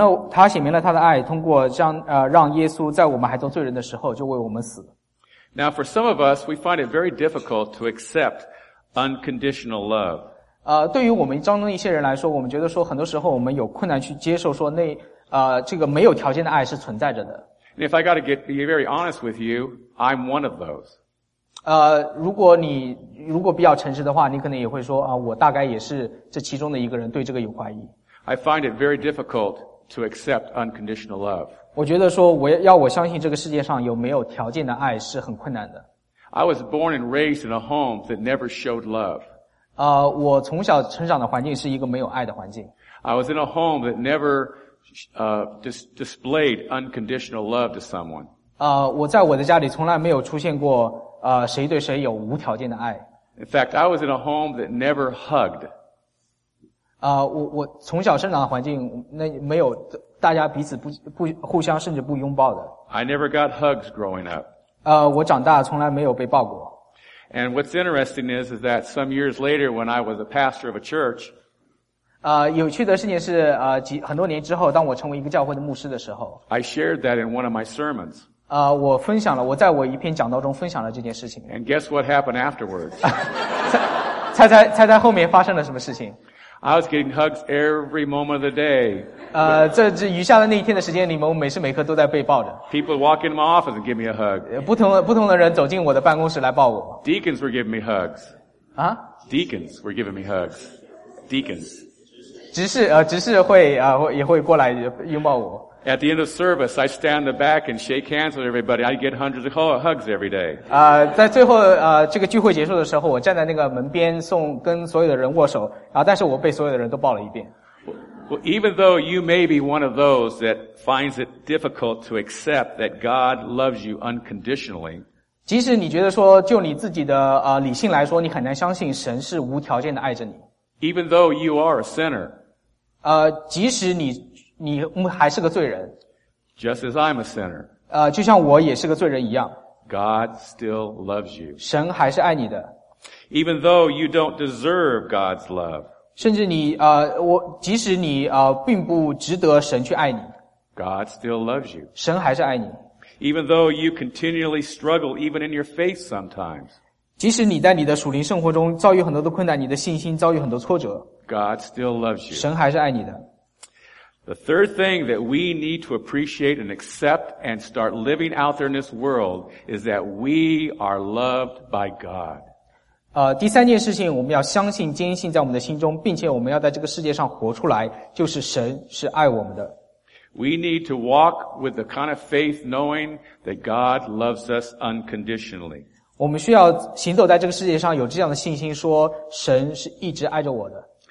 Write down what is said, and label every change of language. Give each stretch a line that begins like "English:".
Chinese: 他显明了他的爱，通过让耶稣在我们还做罪人的时候就为我们死。
English: Now for some of us, we find it very difficult to accept unconditional love.
Chinese: 对于我们当中一些人来说，我们觉得说很多时候我们有困难去接受说那这个没有条件的爱是存在着的。
English: And if I got to be very honest with you, I'm one of those.
Chinese: 如果比较诚实的话，你可能也会说我大概也是这其中的一个人，对这个有怀疑。
English: I find it very difficult to accept unconditional love.
Chinese: 我觉得说要我相信这个世界上有没有条件的爱是很困难的。
English: I was born and raised in a home that never showed love.
Chinese: 我从小成长的环境是一个没有爱的环境。
English: I was in a home that never displayed unconditional love to someone.
Chinese: 我在我的家里从来没有出现过谁对谁有无条件的爱。
English: In fact, I was in a home that never hugged.
Chinese: 我从小生长的环境那没有大家彼此不互相甚至不拥抱的。
English: I never got hugs growing up.
Chinese: 我长大从来没有被抱过。
English: And what's interesting is that some years later when I was a pastor of a church,
Chinese: 有趣的事情是很多年之后当我成为一个教会的牧师的时候。
English: I shared that in one of my sermons.
Chinese: 我分享了我在我一篇讲道中分享了这件事情。
English: And guess what happened afterwards?
Chinese: 猜猜后面发生了什么事情。
English: I was getting hugs every moment of the day.
Chinese: 这余下的那一天的时间里面，我每时每刻都在被抱着。
English: People walk into my office and give me a hug.
Chinese: 不同的人走进我的办公室来抱我。
English: Deacons were giving me hugs. 啊？Deacons were giving me hugs. Deacons.
Chinese: 执事会也会过来拥抱我。
English: At the end of service, I stand in the back and shake hands with everybody. I get hundreds of hugs every day.
Chinese: 在最后这个聚会结束的时候，我站在那个门边跟所有的人握手，但是我被所有的人都抱了一遍。
English: Well, even though you may be one of those that finds it difficult to accept that God loves you unconditionally,
Chinese: 即使你觉得说就你自己的理性来说，你很难相信神是无条件的爱着你。
English: Even though you are a sinner,
Chinese: 即使你还是个罪人。
English: Just as I'm a sinner.
Chinese: 就像我也是个罪人一样。
English: God still loves you.
Chinese: 神还是爱你的。
English: Even though you don't deserve God's love.
Chinese: 甚至你即使你并不值得神去爱你。
English: God still loves you.
Chinese: 神还是爱你。
English: Even though you continually struggle even in your faith sometimes.
Chinese: 即使你在你的属灵生活中遭遇很多的困难，你的信心遭遇很多挫折。
English: God still loves you.
Chinese: 神还是爱你的。
English: The third thing that we need to appreciate and accept and start living out there in this world is that we are loved by God.
Chinese: 第三件事情我们要相信坚信在我们的心中，并且我们要在这个世界上活出来，就是神是爱我们的。
English: We need to walk with the kind of faith knowing that God loves us unconditionally.
Chinese: 我们需要行走在这个世界上有这样的信心，说神是一直爱着我的。